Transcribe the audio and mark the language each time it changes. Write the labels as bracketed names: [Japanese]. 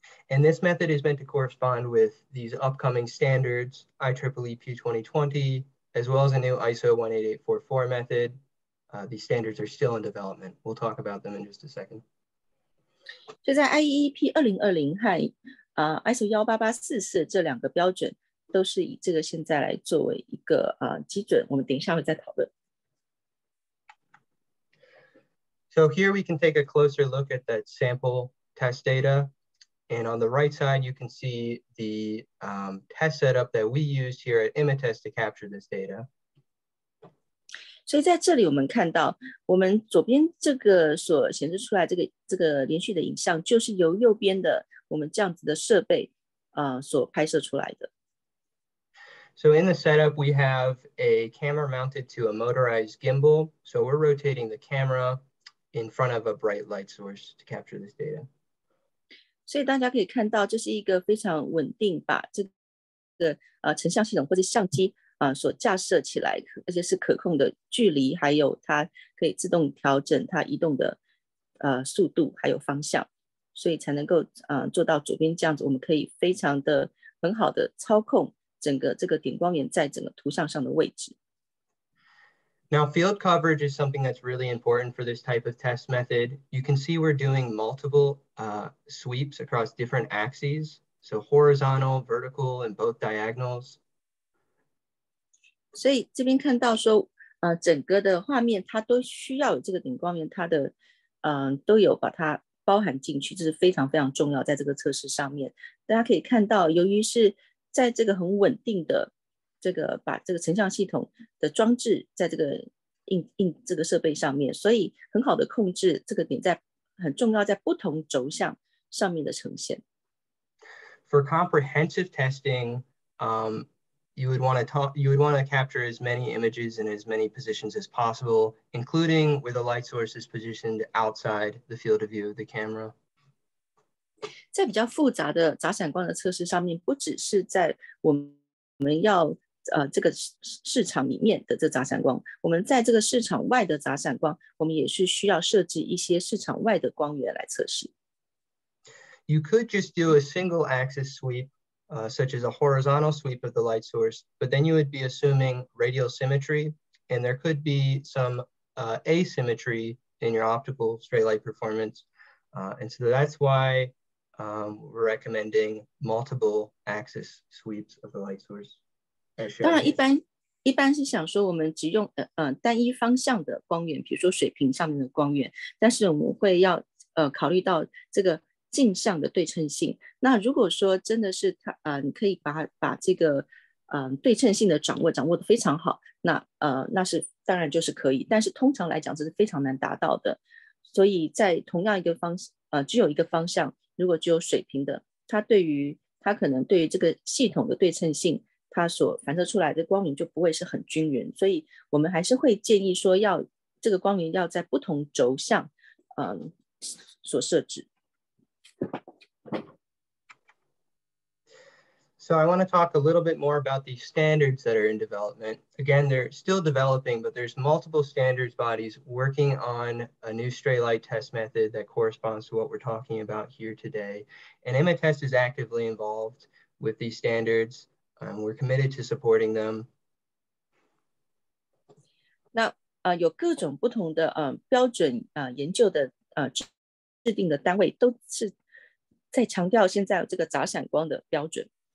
[English] And this method is meant to correspond with these upcoming standards, IEEE P2020, as well as a new ISO 18844 method. These standards are still in development. We'll talk about them in just a second. [Chinese] 就在 IEEP 2020和ISO 18844这两个标准都是以这个现在来作为一个基准，我们等一下会再讨论。 [English] So here we can take a closer look at that sample test data. And on the right side, you can see the test setup that we used here at ImmaTest to capture this data. [Chinese] 所以在这里我们看到我们左边这个所显示出来这个连续的影像就是由右边的我们这样子的设备所拍摄出来的。 [English] So in the setup, we have a camera mounted to a motorized gimbal. So we're rotating the camera in front of a bright light source to capture this data. [Chinese] 所以大家可以看到这是一个非常稳定把这个成像系统或者相机所架设起来，而且是可控的距离，还有它可以自动调整它移动的速度还有方向，所以才能够做到左边这样子，我们可以非常的很好的操控整个这个点光源在整个图像上的位置。 [English] Now, field coverage is something that's really important for this type of test method. You can see we're doing multiple sweeps across different axes, so horizontal, vertical, and both diagonals. [Chinese] 所以这边看到说，整个的画面它都需要有这个点光源，它的都有把它包含进去，这是非常非常重要在这个测试上面。大家可以看到，由于是在这个很稳定的。这个把这个成像系统的装置在这个硬这个设备上面，所以很好的控制这个点在很重要在不同轴向上面的呈现。 [English] For comprehensive testing, you would want to capture as many images in as many positions as possible, including where the light source is positioned outside the field of view of the camera. [Chinese] 在比较复杂的杂闪光的测试上面，不只是在我们要这个市场里面的这杂闪光，我们在这个市场外的杂闪光，我们也是需要设置一些市场外的光源来测试。 [English] You could just do a single axis sweep, such as a horizontal sweep of the light source, but then you would be assuming radial symmetry, and there could be some asymmetry in your optical straight light performance. And so that's why we're recommending multiple axis sweeps of the light source. [Chinese] 当然一般是想说我们只用单一方向的光源，比如说水平上面的光源，但是我们会要考虑到这个镜像的对称性。那如果说真的是它你可以把这个对称性的掌握得非常好，那那是当然就是可以，但是通常来讲这是非常难达到的。所以在同样一个方向只有一个方向，如果只有水平的，它可能对于这个系统的对称性它所反射出来的光源就不会是很均匀，所以我们还是会建议说要这个光源要在不同轴向所设置。 [English] So I want to talk a little bit more about these standards that are in development. Again, they're still developing, but there's multiple standards bodies working on a new stray light test method that corresponds to what we're talking about here today. And IMATEST is actively involved with these standards. We're committed to supporting them. [Chinese] 那有各种不同的标准研究的制定的单位都是在强调现在有这个杂闪光的标准。